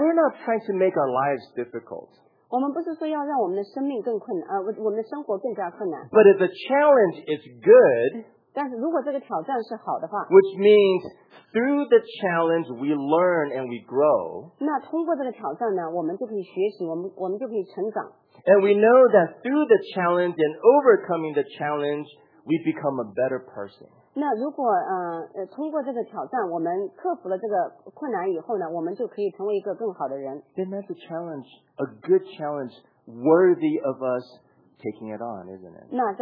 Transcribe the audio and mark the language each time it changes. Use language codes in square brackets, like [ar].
[en] We're not trying to make our lives difficult. [zh] 我们不是说要让我们的生活更加困难。 [en] But if the challenge is good, [zh] 但是如果这个挑战是好的话, [en] which means through the challenge we learn and we grow. [zh] 那通过这个挑战呢，我们就可以学习，我们就可以成长。 [en] And we know that through the challenge and overcoming the challenge, we become a better person. [zh] 那如果通过这个挑战，我们克服了这个困难以后呢，我们就可以成为一个更好的人。 [en] Then that's a challenge, a good challenge, worthy of us taking it on, isn't it?